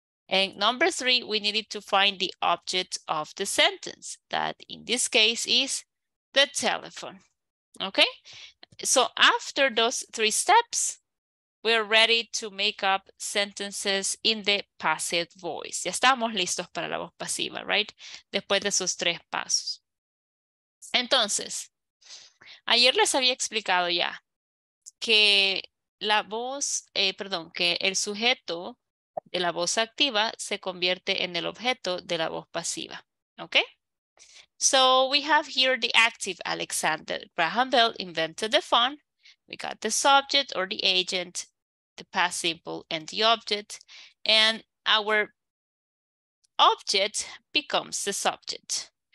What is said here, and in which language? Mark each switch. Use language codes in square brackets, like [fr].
[en] And number three, we needed to find the object of the sentence, that in this case is the telephone, okay? So after those three steps, we're ready to make up sentences in the passive voice. [es] Ya estamos listos para la voz pasiva, right? Después de esos tres pasos. Entonces, ayer les había explicado ya que la voz, que el sujeto de la voz activa se convierte en el objeto de la voz pasiva, okay? [en] So we have here the active Alexander Graham Bell invented the phone. We got the subject or the agent, the past simple, and the object, and our object becomes the subject.